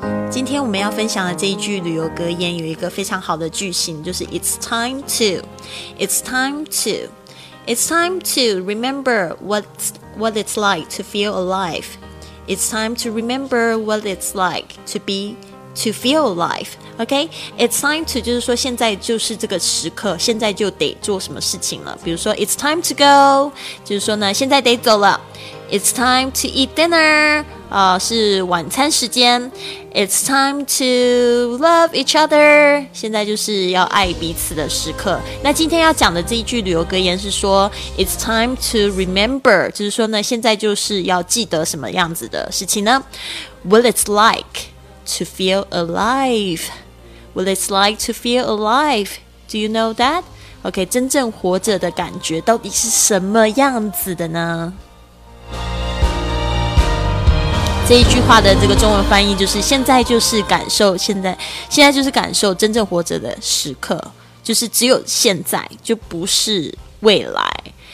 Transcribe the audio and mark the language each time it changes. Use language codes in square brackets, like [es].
[zh] 今天我们要分享的这一句旅游格言有一个非常好的句型，就是 [en] It's time to It's time to It's time to remember what it's like to feel alive. It's time to remember what it's like to be to feel alive. OK, it's time to [zh] 就是说现在就是这个时刻，现在就得做什么事情了。比如说 [en] It's time to go [zh] 就是说呢现在得走了。 [en] It's time to eat dinner [zh] 是晚餐时间。 [en] It's time to love each other [zh] 现在就是要爱彼此的时刻。那今天要讲的这一句旅游格言是说 [en] It's time to remember [zh] 就是说呢现在就是要记得什么样子的事情呢。 [en] What it's like to feel alive What it's like to feel alive Do you know that? [zh] OK, 真正活着的感觉到底是什么样子的呢？这一句话的这个中文翻译就是现在就是感受现在就是感受真正活着的时刻，就是只有现在，就不是未来。